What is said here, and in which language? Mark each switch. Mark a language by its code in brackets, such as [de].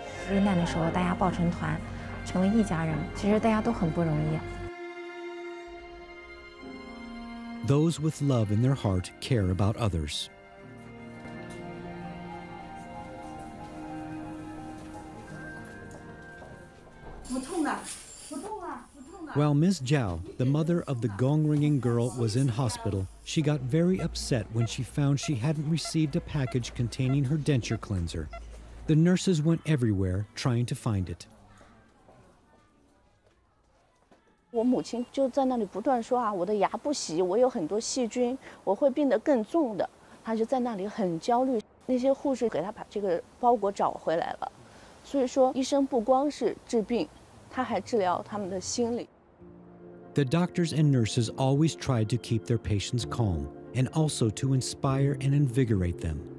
[zh] 遇难的时候，大家抱成团，成为一家人，其实大家都很不容易。 [en] Those with love in their heart care about others. [zh] 不痛的，不痛啊，不痛啊。 [en] While Ms. Zhao, the mother of the gong-ringing girl, was in hospital, she got very upset when she found she hadn't received a package containing her denture cleanser. The nurses went everywhere trying to find it. [zh] 我母亲就在那里不断说啊，我的牙不洗，我有很多细菌，我会病得更重的。她就在那里很焦虑。那些护士给她把这个包裹找回来了。所以说，医生不光是治病，他还治疗他们的心理。 [en] The doctors and nurses always tried to keep their patients calm and also to inspire and invigorate them.